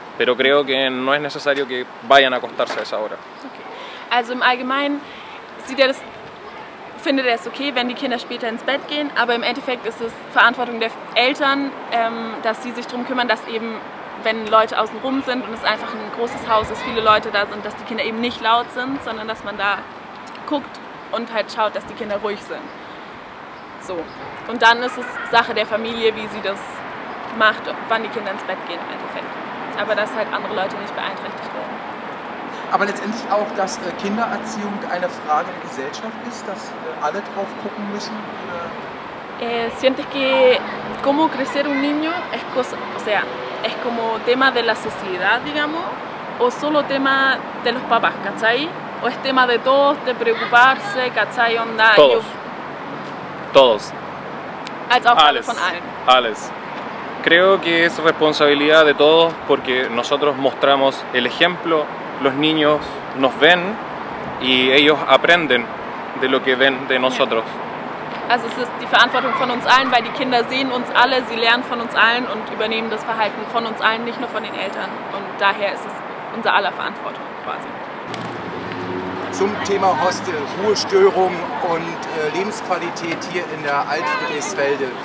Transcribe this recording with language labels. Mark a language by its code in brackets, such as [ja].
[es] Pero creo que no es necesario que vayan a acostarse a esa hora. Okay. [de] Also im Allgemeinen sieht er das, findet er es okay, wenn die Kinder später ins Bett gehen, aber im Endeffekt ist es Verantwortung der Eltern, dass sie sich darum kümmern, dass eben, wenn Leute außen rum sind und es einfach ein großes Haus ist, viele Leute da sind, dass die Kinder eben nicht laut sind, sondern dass man da guckt und halt schaut, dass die Kinder ruhig sind. So. Und dann ist es Sache der Familie, wie sie das macht, wann die Kinder ins Bett gehen im Endeffekt. Aber dass halt andere Leute nicht beeinträchtigt werden. Aber letztendlich auch, dass Kindererziehung eine Frage der Gesellschaft ist, dass alle drauf gucken müssen? [es] Sientes que cómo crecer un niño es cosa, o sea, es como tema de la sociedad, digamos, o solo tema de los papás, ¿cachai? O es tema de todos, de preocuparse, ¿cachai? Onda, todos. Todos. [de] Als auch alles. Von allen. Alles. [es] Creo que es responsabilidad de todos porque nosotros mostramos el ejemplo los niños nos ven y ellos aprenden de lo que ven de nosotros. [de] Also es ist die Verantwortung von uns allen, weil die Kinder sehen uns alle, sie lernen von uns allen und übernehmen das Verhalten von uns allen, nicht nur von den Eltern. Und daher ist es unser aller Verantwortung quasi. Zum Thema Hostel, Ruhestörung und Lebensqualität hier in der Altfriedrichsfelde.